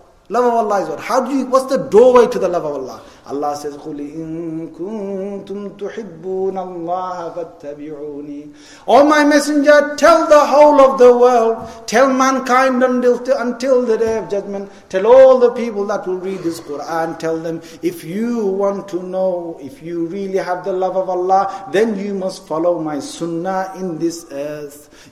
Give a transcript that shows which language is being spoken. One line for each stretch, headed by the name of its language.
English: What's the doorway to the love of Allah? Allah says,
Arabic: قُلْ إِن كُنْتُمْ تُحِبُّونَ اللَّهَ فَاتَّبِعُونِي.
English: Oh my Messenger, tell the whole of the world, tell mankind until the Day of Judgment, tell all the people that will read this Quran, tell them, if you want to know, if you really have the love of Allah, then you must follow my sunnah in this earth.